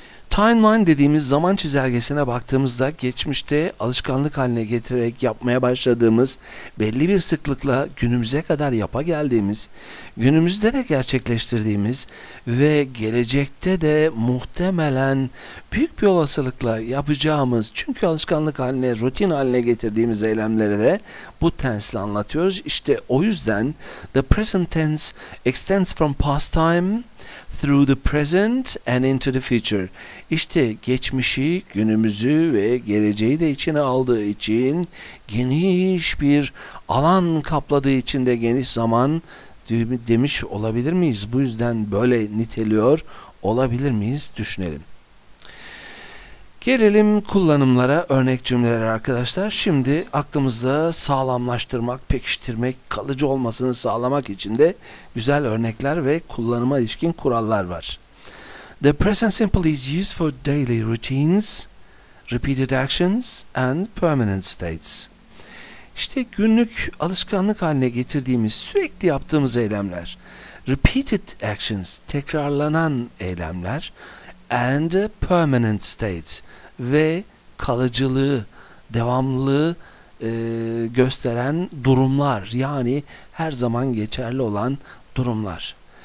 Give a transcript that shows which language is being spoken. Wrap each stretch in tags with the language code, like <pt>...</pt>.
<tr>Timeline dediğimiz zaman çizelgesine baktığımızda, geçmişte alışkanlık haline getirerek yapmaya başladığımız, belli bir sıklıkla günümüze kadar yapa geldiğimiz, günümüzde de gerçekleştirdiğimiz ve gelecekte de muhtemelen büyük bir olasılıkla yapacağımız, çünkü alışkanlık haline, rutin haline getirdiğimiz eylemleri de bu tense'le anlatıyoruz. İşte o yüzden</tr> <en>the present tense extends from past time through the present and into the future.</en> <tr>İşte geçmişi, günümüzü ve geleceği de içine aldığı için, geniş bir alan kapladığı için de geniş zaman demiş olabilir miyiz? Bu yüzden böyle niteliyor olabilir miyiz? Düşünelim. Gelelim kullanımlara, örnek cümlelere arkadaşlar. Şimdi aklımızda sağlamlaştırmak, pekiştirmek, kalıcı olmasını sağlamak için de güzel örnekler ve kullanıma ilişkin kurallar var.</tr> <en>The present simple is used for daily routines, repeated actions and permanent states.</en> <tr>İşte günlük alışkanlık haline getirdiğimiz, sürekli yaptığımız eylemler. Repeated actions, tekrarlanan eylemler.</tr> <en>And permanent states</en> <tr>ve kalıcılığı, devamlılığı gösteren durumlar, yani her zaman geçerli olan durumlar.</tr>